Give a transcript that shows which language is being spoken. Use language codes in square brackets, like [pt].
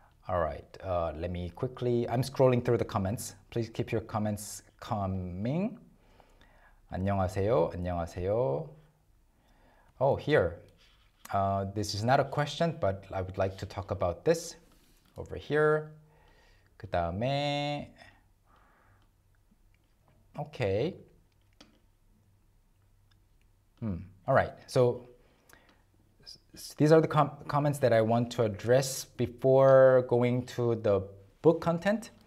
[en] All right, let me quickly, I'm scrolling through the comments. Please keep your comments coming. [ko] 안녕하세요, 안녕하세요. [en] Oh, here. This is not a question, but I would like to talk about this over here. [ko] 그 다음에, okay. [en] All right, so these are the comments that I want to address before going to the book content.